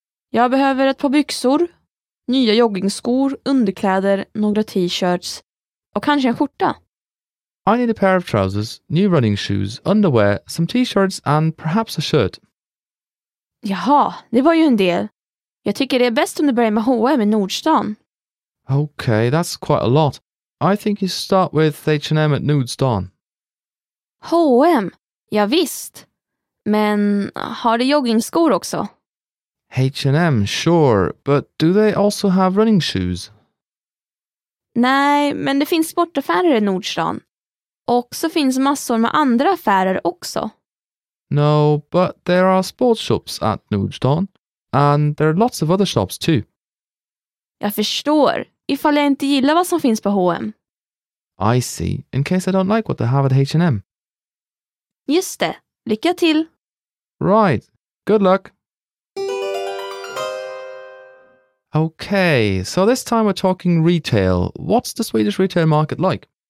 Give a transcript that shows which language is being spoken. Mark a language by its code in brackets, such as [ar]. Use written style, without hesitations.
[sv] Jag behöver ett par byxor, nya joggingskor, underkläder, några t-shirts och kanske en skjorta. [en] I need a pair of trousers, new running shoes, underwear, some t-shirts and perhaps a shirt. [sv] Jaha, det var ju en del. Jag tycker det är bäst om du börjar med H&M i Nordstan. [en] Okay, that's quite a lot. I think you start with H&M at Nordstan. [sv] H&M? Ja visst. Men har du joggingskor också? [en] H&M, sure, but do they also have running shoes? [sv] Nej, men det finns sportaffärer i Nordstan. Och så finns massor med andra affärer också. [en] No, but there are sports shops at Nordstan. And there are lots of other shops too. [sv] Jag förstår, ifall jag inte gillar vad som finns på H&M. [en] I see, in case I don't like what they have at H&M. [sv] Just det, lycka till! [en] Right, good luck! Okay, so this time we're talking retail. What's the Swedish retail market like?